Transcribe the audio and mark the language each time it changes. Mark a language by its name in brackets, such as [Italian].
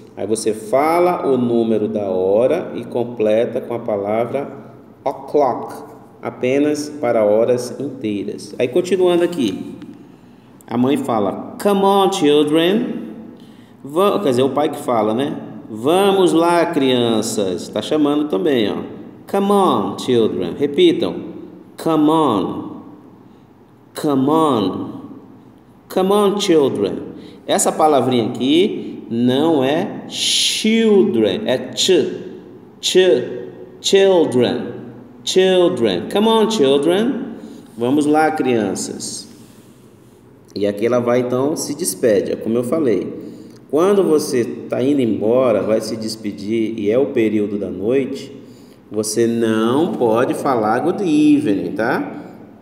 [Portuguese] Aí você fala o número da hora e completa com a palavra o'clock, apenas para horas inteiras. Aí continuando aqui, a mãe fala, [English] come on children, [Portuguese] quer dizer, o pai que fala, né? Vamos lá, crianças, está chamando também, ó. [English] Come on children, [Portuguese] repitam, [English] come on, come on, come on children. [Portuguese] Essa palavrinha aqui não é children, é children, children. [English] Come on, children. [Portuguese] Vamos lá, crianças. E aqui ela vai, então, se despede. Como eu falei, quando você está indo embora, vai se despedir e é o período da noite, você não pode falar good evening, tá?